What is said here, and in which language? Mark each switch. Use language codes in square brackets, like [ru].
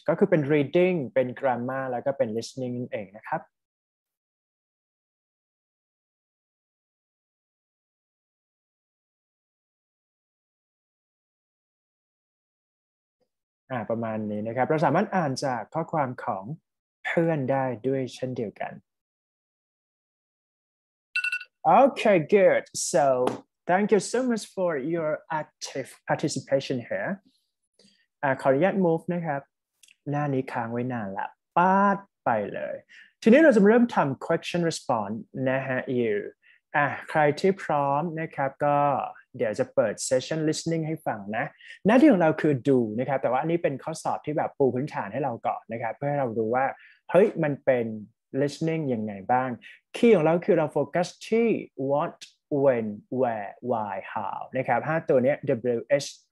[th] ก็คือเป็น reading, เป็น grammar, แล้วก็เป็น listening เองนะครับ ประมาณนี้นะครับเราสามารถอ่านจากข้อความของเพื่อนได้ด้วยเช่นเดียวกัน [en] Okay, good. So,Thank you so much for your active participation here. [th] ขออนุญาต move นะครับหน้านี้ค้างไว้นานละปาดไปเลยทีนี้เราจะเริ่มทำ question response นะฮะ you ใครที่พร้อมนะครับก็เดี๋ยวจะเปิด session listening ให้ฟังนะหน้าที่ของเราคือดูนะครับแต่ว่าอันนี้เป็นข้อสอบที่แบบปูพื้นฐานให้เราก่อนนะครับเพื่อให้เรารู้ว่าเฮ้ยมันเป็น listening ยังไงบ้างคีย์ของเราคือเราโฟกัสที่ [en] whatWhen, where, why, how [th] นะครับ5ตัวนี้ WH